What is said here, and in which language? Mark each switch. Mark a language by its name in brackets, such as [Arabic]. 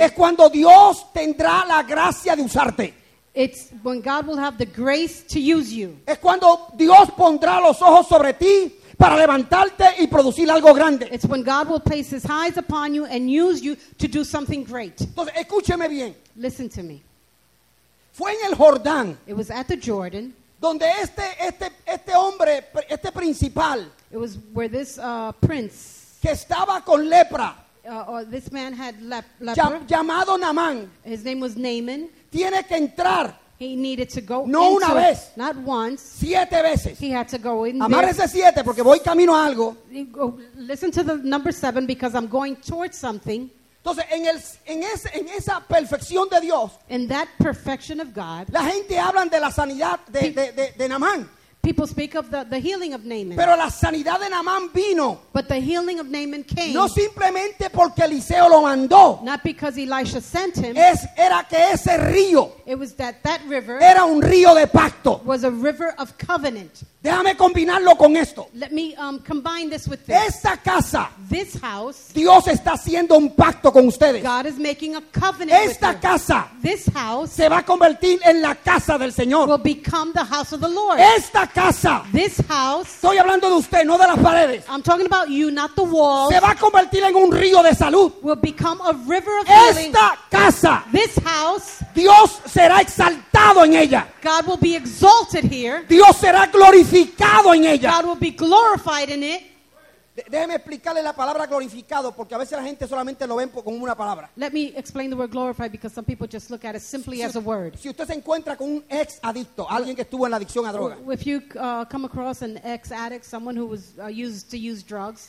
[Spanish] Es cuando Dios tendrá la gracia de usarte. [English] It's when God will have the grace to use you. [Spanish] Es cuando Dios pondrá los ojos sobre ti para levantarte y producir algo grande. [English] It's when God will place his eyes upon you and use you to do something great. [Spanish] Entonces, escúcheme bien. [English] Listen to me. [Spanish] Fue en el Jordán. [English] It was at the Jordan. [Spanish] Donde este hombre, este principal. [English] It was where this prince. [Spanish] Que estaba con lepra. [English] This man had lepra. [Spanish] Llamado Naamán. [English] His name was Naaman. [Spanish] Tiene que entrar. [English] He needed to go [Spanish] no [English] into, [Spanish] una vez. [English] Not once. [Spanish] Siete veces. [English] He had to go in. [Spanish] Amárrese siete porque voy camino a algo. [English] Listen to the number seven because I'm going towards something. [Spanish] Entonces, en esa perfección de Dios. [English] In that perfection of God. [Spanish] La gente habla de la sanidad de Naamán. [English] People speak of the healing of Naaman. [Spanish] Pero la sanidad de Naaman vino. [English] But the healing of Naaman came. [Spanish] No simplemente porque Eliseo lo mandó. [English] Not because Elisha sent him. [Spanish] Era que ese río. [English] It was that river. [Spanish] Era un río de pacto. [English] Was a river of covenant. [Spanish] Déjame combinarlo con esto. [English] Let me combine this with this. [Spanish] Esta casa. [English] This house. [Spanish] Dios está haciendo un pacto con ustedes. [English] God is making a covenant [Spanish] esta [English] with [Spanish] esta casa. [English] This house. [Spanish] Se va a convertir en la casa del Señor. [English] Will become the house of the Lord. [Spanish] Esta casa. [English] This house. [Spanish] Estoy hablando de usted, no de las paredes. [English] I'm talking about you, not the walls. [Spanish] Se va a convertir en un río de salud. [English] Will become a river of healing. [Spanish] Esta casa. [English] This house. [Spanish] Dios será exaltado en ella. [English] God will be exalted here. [Spanish] Dios será glorificado en ella. [English] God will be glorified in it. [Spanish] Déjeme explicarle la palabra glorificado porque a veces la gente solamente lo ven como una palabra. [English] Let me explain the word glorified because some people just look at it simply as a word. [Spanish] Si usted se encuentra con un ex adicto, alguien que estuvo en la adicción a droga. [English] If you come across an ex addict, someone who was used to use drugs.